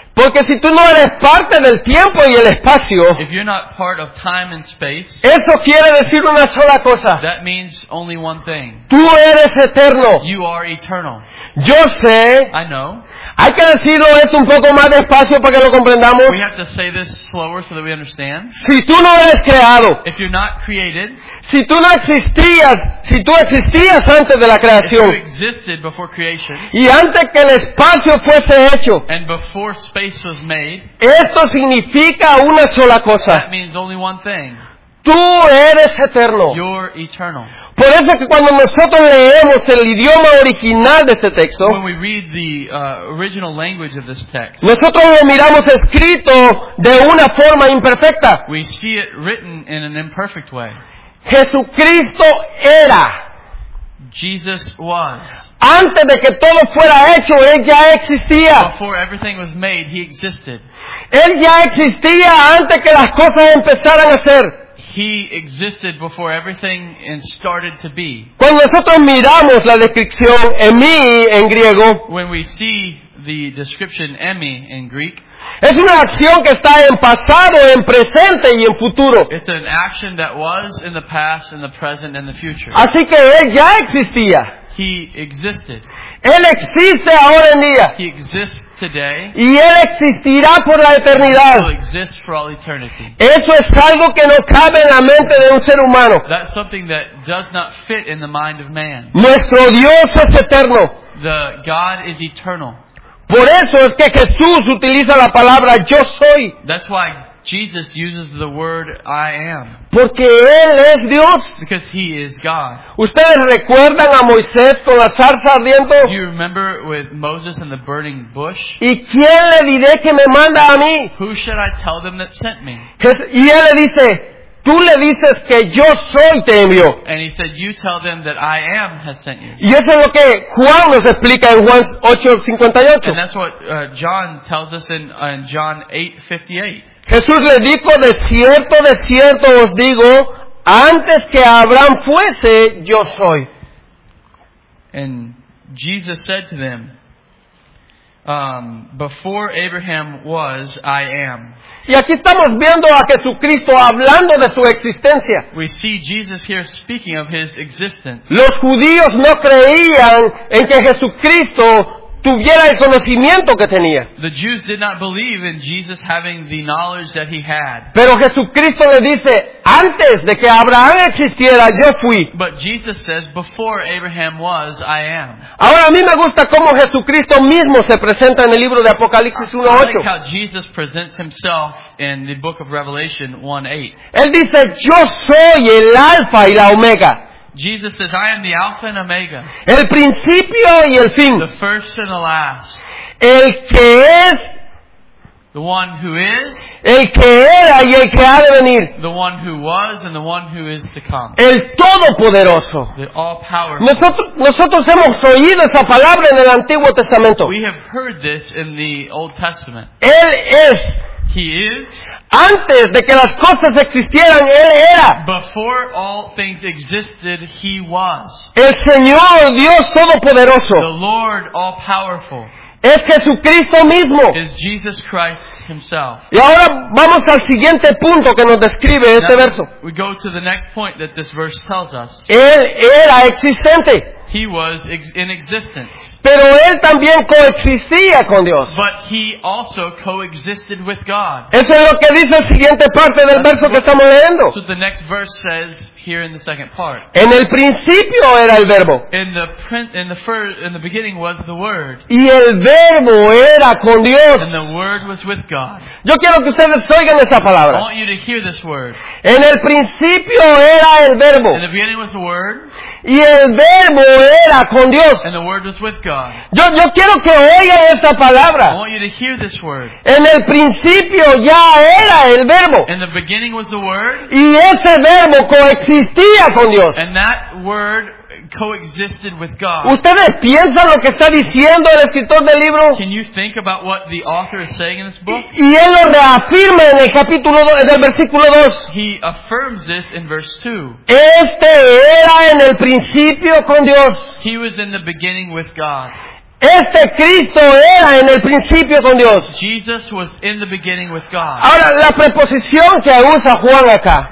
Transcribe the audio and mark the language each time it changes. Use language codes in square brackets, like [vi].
[es] porque si tú no eres parte del tiempo y el espacio, [en] if you're not part of time and space, [es] eso quiere decir una sola cosa. [en] That means only one thing. [es] Tú eres eterno. [en] You are eternal. [es] Yo sé. [en] I know. [es] Hay que decirlo esto un poco más despacio para que lo comprendamos. [en] We have to say this slower so that we understand. [es] Si tú no eres creado, [en] if you're not created, [es] si tú no existías, si tú existías antes de la creación, [en] if you existed before creation, [es] y antes que el espacio fuese hecho, [en] and before space was made, [es] esto significa una sola cosa. [en] That means only one thing. [es] Tú eres eterno. [en] You're eternal. [es] Por eso que cuando nosotros leemos el idioma original de este texto, [en] when we read the original language of this text, [es] nosotros lo miramos escrito de una forma imperfecta. [en] We see it written in an imperfect way. [es] Jesucristo era. [en] Jesus was. [es] Antes de que todo fuera hecho, él ya existía. [en] Before everything was made, he existed. [es] Él ya existía antes que las cosas empezaran a ser. [en] He existed before everything and started to be. [es] Cuando nosotros miramos la descripción emi en griego, [en] when we see the description emi in Greek, [es] es una acción que está en pasado, en presente y en futuro. [en] It's an action that was in the past, in the present, and the future. [es] Así que él ya existía. [en] He existed. [es] Él existe ahora en día. [en] He exists today. [es] Y él existirá por la eternidad. [en] He will exist for all eternity. [es] Eso es algo que no cabe en la mente de un ser humano. [en] That's something that does not fit in the mind of man. [es] Nuestro Dios es eterno. [en] The God is eternal. [es] Por eso es que Jesús utiliza la palabra yo soy. [en] That's why Jesus uses the word I am. [es] Porque él es Dios. [en] Because he is God. [es] ¿Ustedes recuerdan a Moisés con la zarza ardiente? [en] Do you remember with Moses and the burning bush? [es] ¿Y quién le diré que me manda a mí? [en] Who should I tell them that sent me? [es] Y él le dice, tú le dices que yo soy te envió. [en] And he said, you tell them that I am has sent you. [es] Y eso es lo que Juan nos explica en Juan 8:58. [en] And that's what John tells us in John 8:58. [es] Jesús le dijo, de cierto os digo, antes que Abraham fuese, yo soy. [en] And Jesus said to them, before Abraham was, I am. [es] Y aquí estamos viendo a Jesucristo hablando de su existencia. [en] We see Jesus here speaking of his existence. [es] Los judíos no creían en que Jesucristo tuviera el conocimiento que tenía. [en] The Jews did not believe in Jesus having the knowledge that he had. [es] Pero Jesucristo le dice, antes de que Abraham existiera, yo fui. [en] But Jesus says, before Abraham was, I am. [es] Ahora a mí me gusta cómo Jesucristo mismo se presenta en el libro de Apocalipsis 1:8. [en] I like how Jesus presents himself in the book of Revelation 1:8. [es] Él dice, yo soy el Alfa y la Omega. [en] Jesus says, I am the Alpha and Omega. [es] El principio y el fin. [en] The first and the last. [es] El que es. [en] The one who is. [es] El que era y el que ha de venir. [en] The one who was and the one who is to come. [es] El todopoderoso. [en] The all-powerful. [es] Nosotros hemos oído esa palabra en el Antiguo Testamento. [en] We have heard this in the Old Testament. [es] Él es. [en] He is. [es] Antes de que las cosas existieran, él era. [en] Before all things existed, he was. [es] El Señor Dios Todopoderoso. [en] The Lord all powerful. [es] Es Jesucristo mismo. [en] Is Jesus Christ himself. [es] Y ahora vamos al siguiente punto que nos describe este verso. [en] We go to the next point that this verse tells us. [es] Él era existente. [en] He was in existence. [es] Pero él también coexistía con Dios. [en] But he also coexisted with God. [es] Eso es lo que dice la siguiente parte del verso que estamos leyendo. [en] So the next verse says here in the second part. [es] En el principio era el verbo. [en] In the beginning was the word. [es] Y el verbo era con Dios. [en] And the word was with God. [es] Yo quiero que ustedes oigan esa palabra. [en] I want you to hear this word. [es] En el principio era el verbo. [en] In the beginning was the word. [es] Y el verbo era con Dios. [en] And the word was with God. [es] Yo quiero que oiga esta palabra. [en] I want you to hear this word. [es] En el principio ya era el verbo. [en] And the beginning was the word. [es] Y ese verbo coexistía con Dios. [en] And that word coexisted with God. [es] ¿Ustedes piensan lo que está diciendo el escritor del libro? [en] Can you think about what the author is saying in this book? [es] Y él lo reafirma en el capítulo 2, en el versículo 2. [en] He affirms this in verse 2. [es] Este era en el principio con Dios. [en] He was in the beginning with God. [es] Este Cristo era en el principio con Dios. [en] Jesus was in the beginning with God. [es] Ahora, la preposición que usa Juan acá.